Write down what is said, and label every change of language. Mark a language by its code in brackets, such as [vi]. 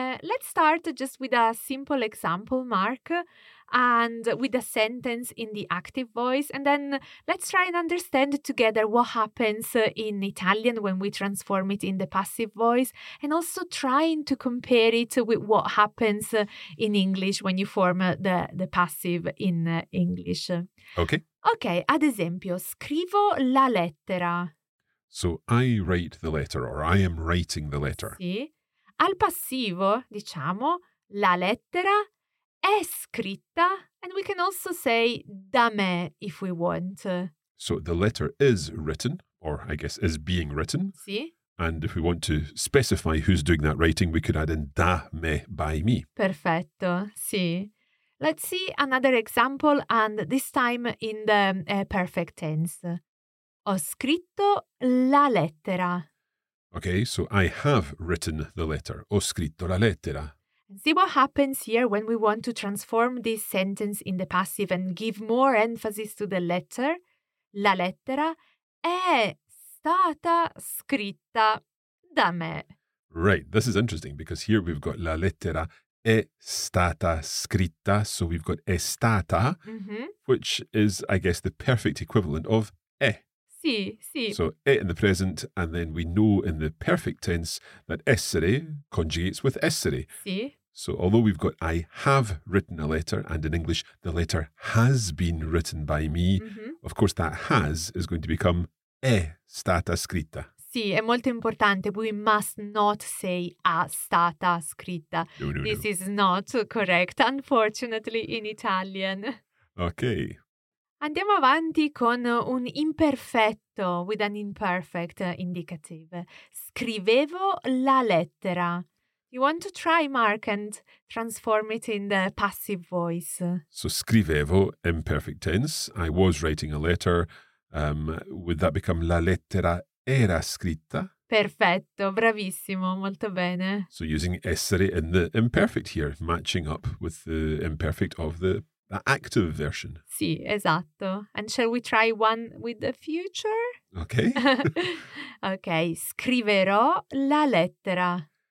[en] Let's start just with a simple example, Mark, and with a sentence in the active voice. And then let's try and understand together what happens in Italian when we transform it in the passive voice. And also trying to compare it with what happens in English when you form the passive in English. Okay. Okay. [it] Ad esempio, scrivo la lettera. [en] So I write the letter, or I am writing the letter. [it] Sì. Al passivo, diciamo, la lettera è scritta. [en] And we can also say da me, if we want. So the letter is written, or I guess is being written. [it] Sì. [en] And if we want to specify who's doing that writing, we could add in da me, by me. [it] Perfetto, sì. [en] Let's see another example, and this time in the perfect tense. [it] Ho scritto la lettera. [en] Okay, so I have written the letter. [it] Ho scritto la lettera. [en] See what happens here when we want to transform this sentence in the passive and give more emphasis to the letter? [it] La lettera è stata scritta da me. [en] Right, this is interesting because here we've got [it] la lettera è stata scritta. [en] So we've got è stata, which is, I guess, the perfect equivalent of è. [it] Sì, sì. [en] So, è in the present, and then we know in the perfect tense that essere conjugates with essere. [it] Sì. [en] So, although we've got I have written a letter, and in English, the letter has been written by me, of course, that has is going to become [it] è stata scritta. Sì, è molto importante. [en] We must not say a stata scritta. No, is not correct, unfortunately, in Italian. Okay. [it] Andiamo avanti con un imperfetto, [en] with an imperfect indicative. [it] Scrivevo la lettera. [en] You want to try, Mark, and transform it in the passive voice. So scrivevo, imperfect tense. I was writing a letter. Would that become [it] la lettera era scritta? Perfetto, bravissimo, molto bene. [en] So using essere in the imperfect here, matching up with the imperfect of the active version. [it] Sì, esatto. [en] And shall we try one with the future? Okay. [it] Okay, scriverò la lettera.